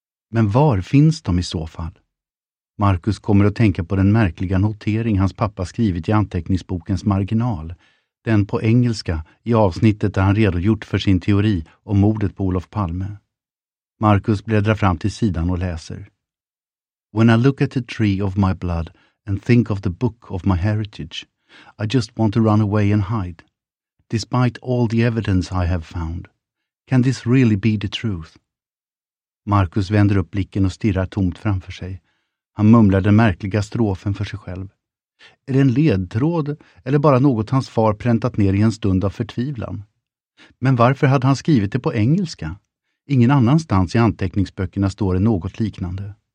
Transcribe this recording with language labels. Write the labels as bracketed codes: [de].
[sv] Men var finns de i så fall? Marcus kommer att tänka på den märkliga notering hans pappa skrivit i anteckningsbokens marginal. Den på engelska i avsnittet där han redogjort för sin teori om mordet på Olof Palme. Marcus bläddrar fram till sidan och läser. [en] When I look at the tree of my blood and think of the book of my heritage, I just want to run away and hide. Despite all the evidence I have found, can this really be the truth? [sv] Marcus vänder upp blicken och stirrar tomt framför sig. Han mumlar den märkliga strofen för sig själv. Är det en ledtråd eller bara något hans far präntat ner i en stund av förtvivlan? Men varför hade han skrivit det på engelska? Ingen annanstans i anteckningsböckerna står det något liknande.